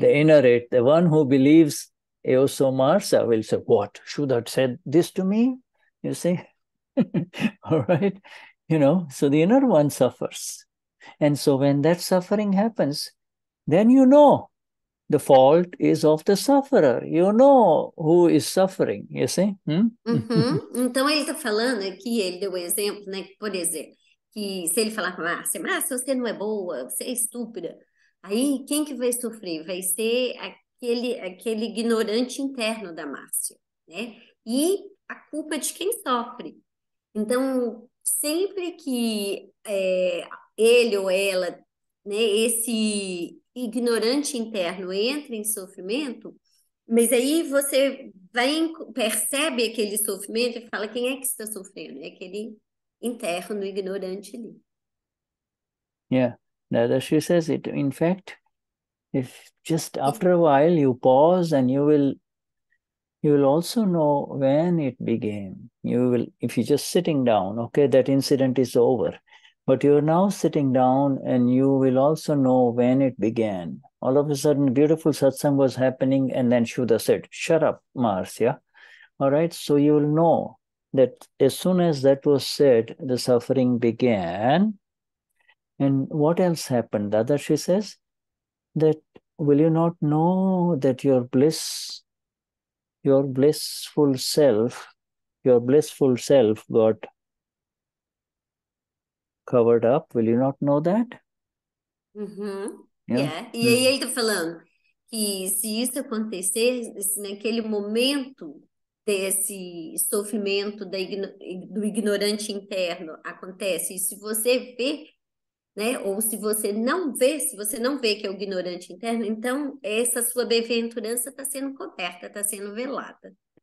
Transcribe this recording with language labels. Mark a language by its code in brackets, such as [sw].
[en] The inner it, the one who believes... Also, Marcia will say, what? Shuddha said this to me? You see? All right? You know, so the inner one suffers. And so when that suffering happens, then you know the fault is of the sufferer. You know who is suffering, you see? [pt] Então, ele está falando aqui, ele deu um exemplo, né? Por exemplo, que se ele falar com Marcia, Marcia, você não é boa, você é estúpida. Aí, quem que vai sofrer? Vai ser... Aquele ignorante interno da Márcia, né? E a culpa de quem sofre. Então, sempre que ele ou ela, né, esse ignorante interno entra em sofrimento, mas aí você vem, percebe aquele sofrimento e fala, quem é que está sofrendo? É aquele interno ignorante ali. [en] Yeah, Dada, she says it, in fact, if just after a while you pause and you will also know when it began. You will, if you're just sitting down, okay, that incident is over. But you're now sitting down and you will also know when it began. All of a sudden, beautiful satsang was happening and then Shuddha said, shut up, Marcia. All right, so you will know that as soon as that was said, the suffering began. And what else happened? Dada, she says, that will you not know that your blissful self got covered up? Will you not know that? Yeah. [pt] E aí ele tá falando que se isso acontecer, se naquele momento desse sofrimento do ignorante interno acontece, e se você vê, né? Ou se você não vê que é o ignorante interno, então essa sua bem-aventurança está sendo coberta, está sendo velada.